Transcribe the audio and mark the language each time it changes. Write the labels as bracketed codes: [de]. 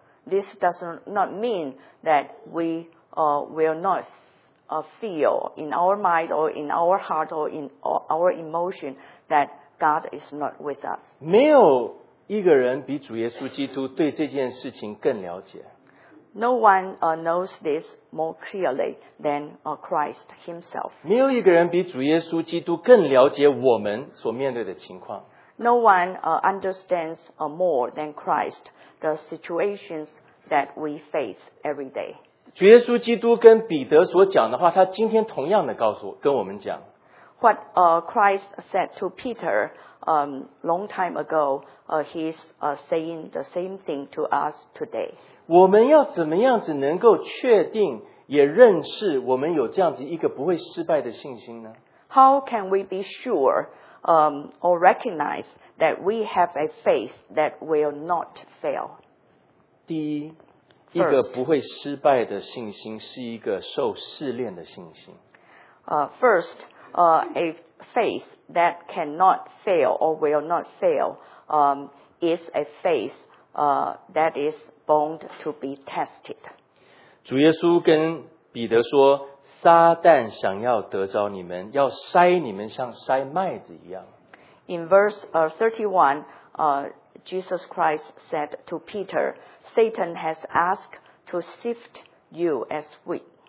[en] This does not mean that we will not feel in our mind or in our heart or in our emotion that God is not with us. [zh] 没有一个人比主耶稣基督对这件事情更了解。 [en] No one knows this more clearly than Christ himself. [zh] 没有一个人比主耶稣基督更了解我们所面对的情况。 [en] No one understands more than Christ the situations that we face every day. [zh] 主耶稣基督跟彼得所讲的话，他今天同样的告诉跟我们讲。 [en] What Christ said to Peter long time ago, he's saying the same thing to us today. [zh] 我们要怎么样子能够确定也认识我们有这样子一个不会失败的信心呢？ [en] How can we be sure or recognize that we have a faith that will not fail? [zh] 第一，一个不会失败的信心是一个受试炼的信心。 [en] First, a faith that cannot fail or will not fail is a faith that is bound to be tested. [zh] 主耶稣跟彼得说，撒旦想要得着你们，要筛你们像筛麦子一样。 [en] In verse 31, Jesus Christ said to Peter, Satan has asked to sift you as wheat.